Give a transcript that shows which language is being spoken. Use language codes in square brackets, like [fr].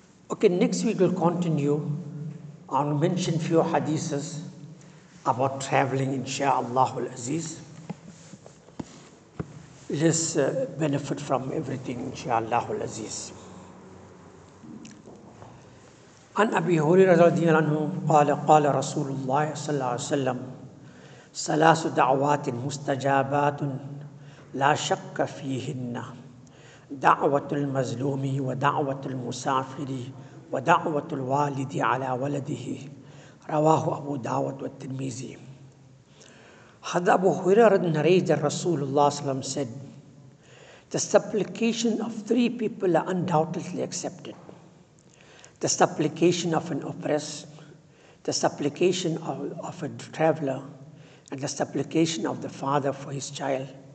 [en] Okay, next week we'll continue. I'll mention few hadiths about traveling, insha'Allah al-Aziz. Let's benefit from everything, insha'Allah al-Aziz. [ar] An Abi Hurairah radiyallahu anhu, qala Rasulullah sallallahu alayhi wa sallam, ثلاث دعوات مستجابات لا شك فيهن دعوة المظلوم ودعوة المسافر ودعوة الوالد على ولده رواه أبو داود والترمذي. حد أبو هريرة نريد الرسول الله صلى الله عليه وسلم [en] said, the supplication of three people are undoubtedly accepted. The supplication of an oppressed, the supplication of a traveler, and the supplication of the father for his child.